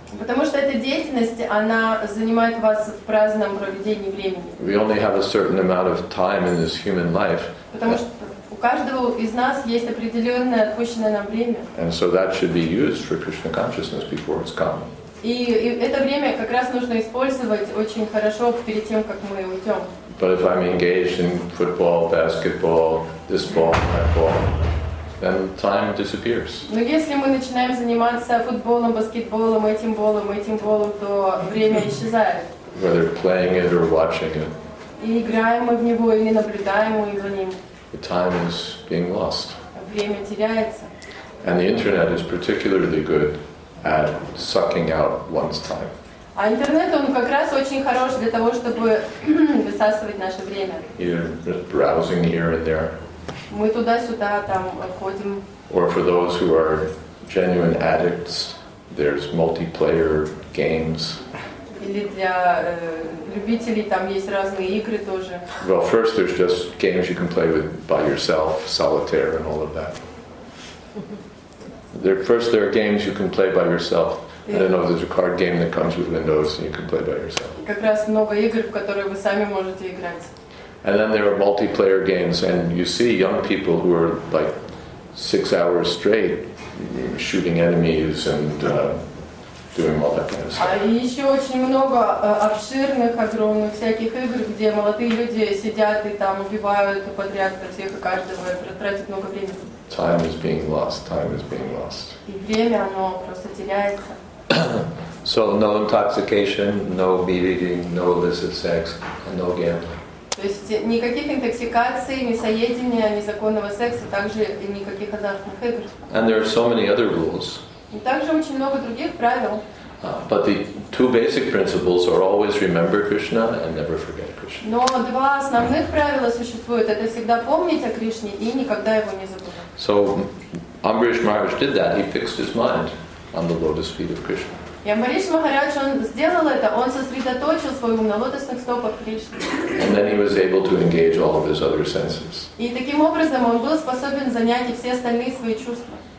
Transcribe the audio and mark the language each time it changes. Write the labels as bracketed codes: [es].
[ru] Потому что эта деятельность, она занимает вас в праздном проведении времени. [en] We only have a certain amount of time in this human life. [ru] Потому что у каждого из нас есть определенное отпущенное нам время. [en] And so that should be used for Krishna consciousness before it's gone. [ru] И это время как раз нужно использовать очень хорошо перед тем, как мы уйдем. [en] But if I'm engaged in football, basketball, this ball, that ball, then time disappears. [ru] Но если мы начинаем заниматься футболом, баскетболом, этим болом, то время исчезает. [en] Whether playing it or watching it. [ru] И играем мы в него или наблюдаем мы за ним. [en] The time is being lost. [ru] Время теряется. [en] And the internet is particularly good at sucking out one's time. [ru] А интернет, он как раз очень хорош для того, чтобы высасывать наше время. [en] You're just browsing here and there. [ru] Мы туда-сюда там ходим. [en] Or for those who are genuine addicts, there's multiplayer games. [ru] Или для любителей там есть разные игры тоже. [en] Well, first there's just games you can play with by yourself, solitaire and all of that. There are games you can play by yourself. I don't know, there's a card game that comes with Windows and you can play by yourself. [ru] Как раз много игр, в которые вы сами можете играть. [en] And then there are multiplayer games, and you see young people who are like 6 hours straight shooting enemies and doing all that kind of stuff. [ru] А еще очень много обширных, огромных всяких игр, где молодые люди сидят и там убивают подряд всех и каждого, тратят много времени. [en] Time is being lost, time is being lost. [ru] И время, оно просто теряется. [en] So no intoxication, no meat eating, no illicit sex, and no gambling. [ru] То есть никаких интоксикаций, мясоедения, незаконного секса, также и никаких азартных игр. [en] And there are so many other rules. [ru] И также очень много других правил. [en] But the two basic principles are always remember Krishna and never forget Krishna. [ru] Но два основных правила существуют. Это всегда помнить о Кришне и никогда его не забывать. [en] So Amrish Maharaj did that. He fixed his mind on the lotus feet of Krishna. [ru] Ямбариш Махарадж, он сделал это, он сосредоточил свой ум на лотосных стопах Кришны. [en] And then he was able to engage all of his other senses. [ru] И таким образом он был способен занять все остальные свои чувства.